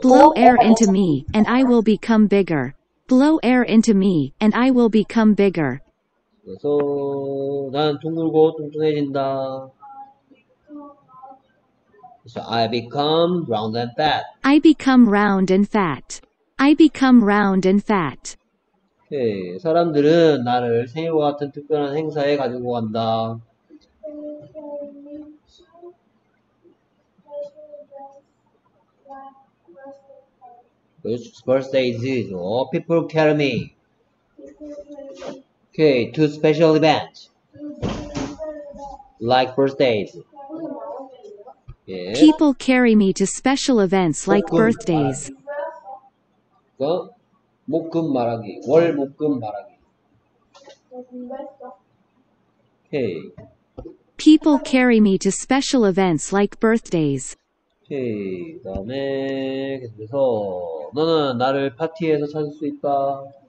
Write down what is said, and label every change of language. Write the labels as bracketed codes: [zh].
[en] Blow air into me, and I will become bigger. Blow air into me, and I will become bigger. [ko] 그래서 나는 둥글고 뚱뚱해진다. [en] So I become round and fat. I become round and fat. I become round and fat. [ko] 네, 사람들은 나를 생일과 같은 특별한 행사에 가지고 간다. [en] Which birthday is it? All people carry me. Okay, to special events. Like birthdays. People carry me to special events like birthdays. [ko] 목금 말하기, 월, 목금 말하기. [en] Okay. People carry me to special events like birthdays. Okay. [ko] 그 다음에 계속해서 너는 나를 파티에서 찾을 수 있다.